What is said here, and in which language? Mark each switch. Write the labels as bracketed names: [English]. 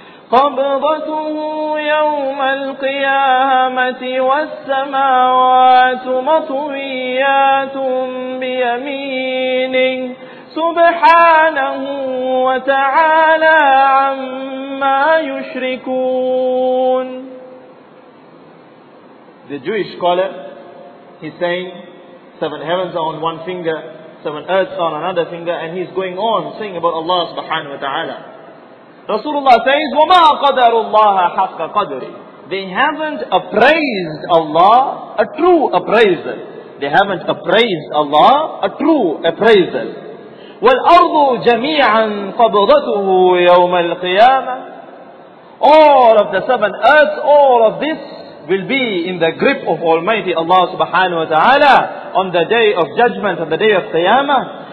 [Arabic] قَبْضَتُهُ يَوْمَ الْقِيَامَةِ وَالسَّمَاوَاتُ مَطْوِيَّاتٌ بِيَمِينِهِ سبحانه وتعالى عما يشركون. [English] The Jewish scholar, he's saying, seven heavens are on one finger, seven earths are on another finger, and he's going on saying about Allah subhanahu wa ta'ala. [Arabic] Rasulullah says, وَمَا قَدَرُ اللَّهَ حَقَّ قَدْرِ. [English] They haven't appraised Allah, a true appraiser. They haven't appraised Allah, a true appraiser. [Arabic] وَالْأَرْضُ جَمِيعًا قَبْضَتُهُ يَوْمَ الْقِيَامَةِ. [English] All of the seven earths, all of this will be in the grip of Almighty Allah subhanahu wa ta'ala on the day of judgment, on the day of Qiyamah.